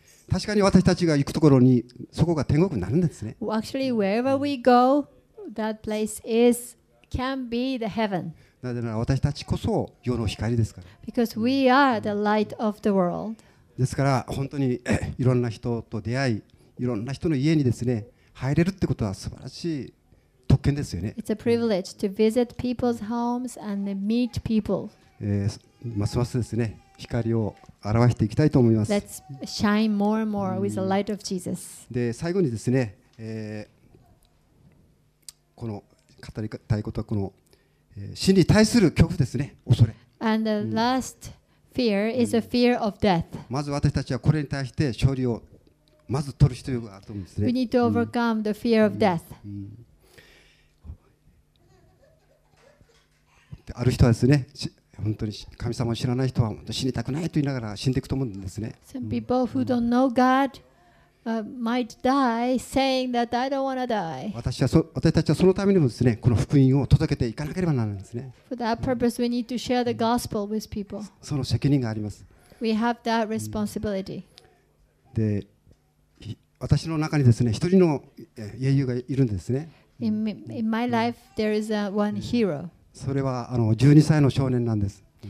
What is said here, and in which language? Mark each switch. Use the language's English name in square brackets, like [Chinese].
[Japanese] 確かに私たちが行くところにそこが天国になるんですね。 [English] Actually, wherever we go, that place can be the heaven. [Japanese] なぜなら私たちこそ世の光ですから。 [English] Because we are the light of the world. [Japanese] ですから本当にいろんな人と出会い、いろんな人の家にですね入れるってことは素晴らしい特権ですよね。 [English] It's a privilege to visit people's homes and meet people. [Japanese] ますますですね光を表していきたいと思います。 [English] Let's shine more and more with the light of Jesus. [Japanese] で最後にですね、この語りたいことはこの死に対する恐怖ですね、恐れ。 [English] And the last fear is a fear of death. [Japanese] まず私たちはこれに対して勝利をまず取る必要があると思うんですね。 [English] We need to overcome the fear of death. [Japanese] ある人はですね、本当に神様を知らない人は死にたくないと言いながら死んでいくと思うんですね。 [English] Some people who don't know God might die saying that I don't want to die. [Japanese] 私たちはそのためにもですね、この福音を届けていかなければならないんですね。 [English] For that purpose, we need to share the gospel with people. [Japanese] その責任があります。 [English] We have that responsibility. [Japanese] で、私の中にですね、一人の英雄がいるんですね。 [English] In my life, there is one hero. [Japanese] それは12歳の少年なんです。